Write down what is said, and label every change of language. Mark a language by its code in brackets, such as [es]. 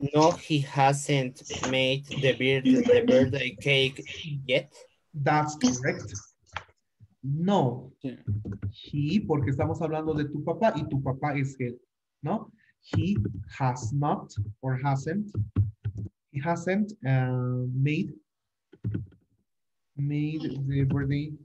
[en] No, he hasn't made the birthday cake yet. That's correct. [es] No, he, porque estamos hablando de tu papá y tu papá es él, ¿no? [en] He has not or hasn't, he hasn't made the birthday,